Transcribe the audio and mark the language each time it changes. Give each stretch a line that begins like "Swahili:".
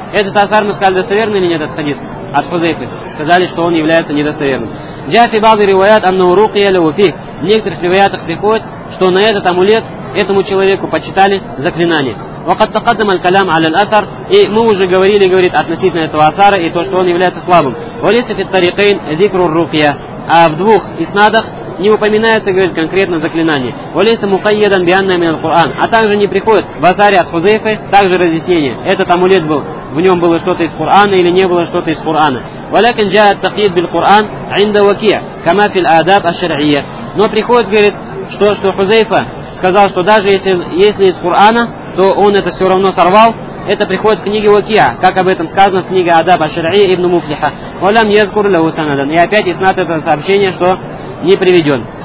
Russian: Этот асар, мы сказали, достоверный или нет, этот хадис от Хузейфы? Сказали, что он является недостоверным. В некоторых ривоятах приходит, что на этот амулет этому человеку почитали заклинание.
Arabic: وقد تقدم الكلام على الأثر
Russian: и мы уже говорили, говорит, относительно этого асара и то, что он является слабым.
Arabic: وليس في الطريقين ذكر الرقية.
Russian: А в двух иснадах не упоминается, говорит, конкретно заклинание.
Arabic: وليس مقيدا بأن من القرآن.
Russian: А также не приходит в асаре от Хузейфы также разъяснение. Этот амулет был, в нем было что-то из Курана или не было что-то из Курана.
Arabic: ولكن جاء التقييد بالقرآن عند وكيع كما في الآداب الشرعية.
Russian: Но приходит, говорит, что Хузейфа сказал, что даже если из Курана, то он это все равно сорвал. Это приходит в книге Уакия, как об этом сказано в книге Адаб аш-Шари ибн Муфлиха.
Arabic: Валям язкур лаху санадан.
Russian: И опять иснад это сообщение, что не приведен.